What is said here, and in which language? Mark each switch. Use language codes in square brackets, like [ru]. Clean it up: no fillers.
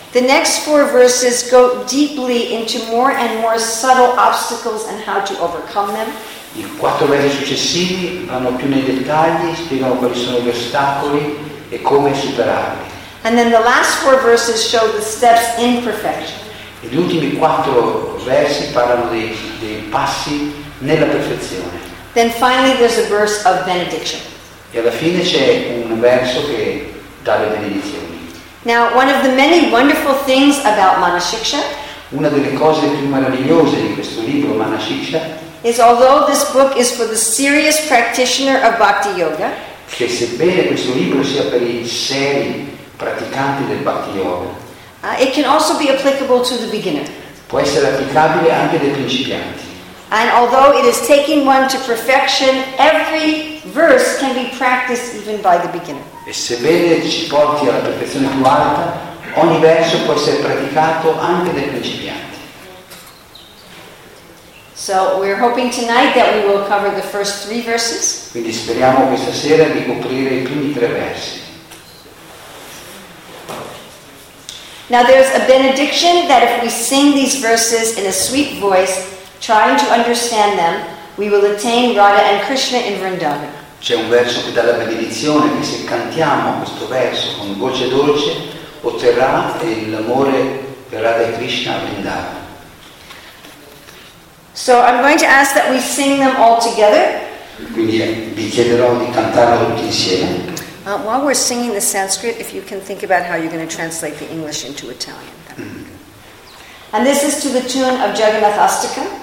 [en] The next four verses go deeply into more and more subtle obstacles and how to overcome them. [it] I quattro versi successivi vanno più nei dettagli, spiegano quali sono gli ostacoli e come superarli. [en] And then the last four verses show the steps in perfection. [it] E gli ultimi quattro versi parlano dei passi nella perfezione. [en] Then finally there's a verse of benediction. [it] E alla fine c'è un verso che dà le benedizioni. [en] Now, one of the many wonderful things about Manashiksha, [it] una delle cose più meravigliose di questo libro, Manashiksha, [en] is although this book is for the serious practitioner of Bhakti Yoga, [it] che sebbene questo libro sia per i seri praticanti del Bhakti Yoga, [en] it can also be applicable to the beginner. [it] Può essere applicabile anche dei principianti. [en] And although it is taking one to perfection, every verse can be practiced even by the beginner. [it] E sebbene ci porti alla perfezione più alta, ogni verso può essere praticato anche dai principianti. [en] So we're hoping tonight that we will cover the first three verses. [it] Quindi speriamo questa sera di coprire i primi tre versi. [en] Now there's a benediction that if we sing these verses in a sweet voice, trying to understand them, we will attain Radha and Krishna in Vrindavan. [it] C'è un verso che dà la benedizione che se cantiamo questo verso con voce dolce otterrà l'amore per Radha Krishna Vrindavan. [en] So I'm going to ask that we sing them all together. [it] Quindi vi chiederò di cantarlo tutti insieme. [en] While we're singing the Sanskrit, if you can think about how you're going to translate the English into Italian. And this is to the tune of Jagannath Astika.